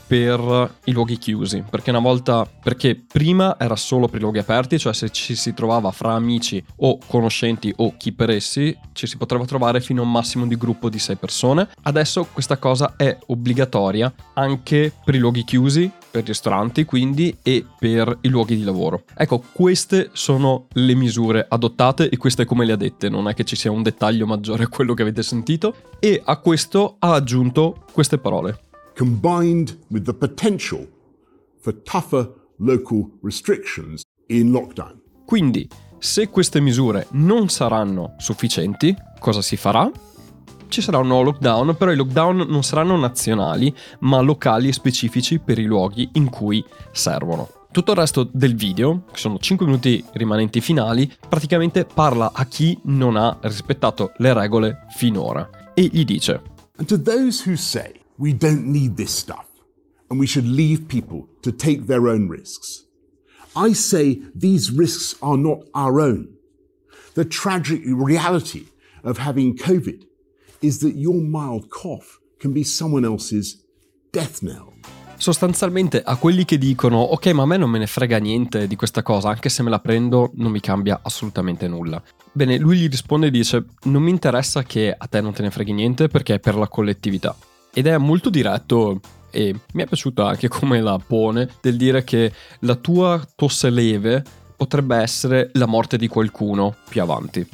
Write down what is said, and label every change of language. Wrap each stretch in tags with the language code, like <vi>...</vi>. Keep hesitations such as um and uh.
<it>per i luoghi chiusi perché una volta perché prima era solo per i luoghi aperti cioè se ci si trovava fra amici o conoscenti o chi per essi ci si potrebbe trovare fino a un massimo di gruppo di sei persone adesso questa cosa è obbligatoria anche per i luoghi chiusi, per i ristoranti quindi e per i luoghi di lavoro. Ecco, queste sono le misure adottate e queste come le ha dette, non è che ci sia un dettaglio maggiore a quello che avete sentito e a questo ha aggiunto queste parole.</it> <en>Combined with the potential for tougher local restrictions in lockdown.</en> <it>Quindi, se queste misure non saranno sufficienti, cosa si farà? ci sarà un nuovo lockdown, però i lockdown non saranno nazionali, ma locali e specifici per i luoghi in cui servono. Tutto il resto del video, che sono 5 minuti rimanenti finali, praticamente parla a chi non ha rispettato le regole finora e gli dice:</it> <en>And to those who say we don't need this stuff and we should leave people to take their own risks, I say these risks are not our own. The tragic reality of having COVID is that your mild cough can be someone else's death knell.</en> <it>Sostanzialmente a quelli che dicono ok ma a me non me ne frega niente di questa cosa anche se me la prendo non mi cambia assolutamente nulla. Bene, lui gli risponde e dice non mi interessa che a te non te ne freghi niente perché è per la collettività. Ed è molto diretto e mi è piaciuta anche come la pone nel dire che la tua tosse leve potrebbe essere la morte di qualcuno più avanti.</it>